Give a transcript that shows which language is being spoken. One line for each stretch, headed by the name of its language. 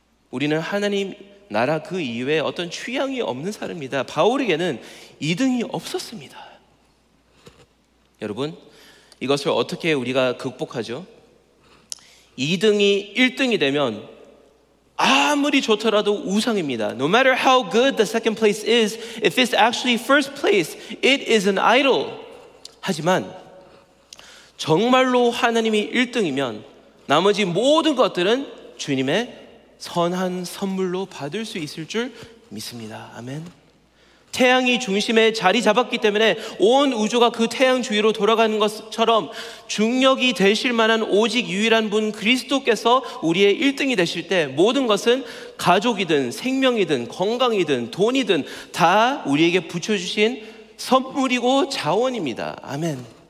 Korean: 우리는 하나님 나라 그 이외에 어떤 취향이 없는 사람입니다. 바울에게는 2등이 없었습니다. 여러분 이것을 어떻게 우리가 극복하죠? 2등이 1등이 되면 아무리 좋더라도 우상입니다.
English: No matter how good the second place is, if it's actually first place, it is an idol.
Korean: 하지만 정말로 하나님이 1등이면 나머지 모든 것들은 주님의 선한 선물로 받을 수 있을 줄 믿습니다. 아멘. 태양이 중심에 자리 잡았기 때문에 온 우주가 그 태양 주위로 돌아가는 것처럼 중력이 되실 만한 오직 유일한 분 그리스도께서 우리의 1등이 되실 때 모든 것은 가족이든 생명이든 건강이든 돈이든 다 우리에게 붙여주신 선물이고 자원입니다. 아멘.